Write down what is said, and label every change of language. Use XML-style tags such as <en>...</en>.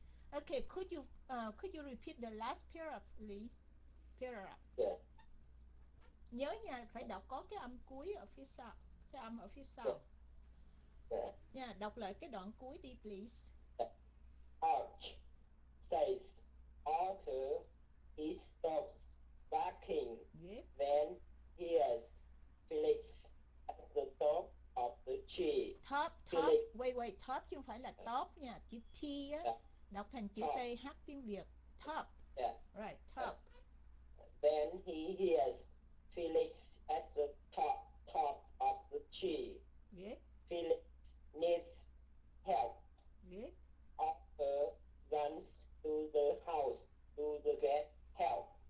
<en>Ok, could you repeat the last paragraph, Lee? Paragraph. Yeah.</en> <vi>Nhớ nha, phải đọc có cái âm cuối ở phía sau, cái âm ở phía sau.</vi> <en>Yeah.</en> <vi>Yeah, đọc lại cái đoạn cuối đi,</vi> <en>please. Arthur, he stops barking. Yep. Then he has Felix at the top of the tree. Top. Felix. Wait.</en> <vi>Top chứ không phải là top nha. Chữ T á. Đọc thành chữ T H tiếng Việt.</vi> <en>Top. Yeah. Right. Top. Then he hears Felix at the top of the tree. Yep. Felix needs help. Yep. Arthur runs to the house to get help.</en>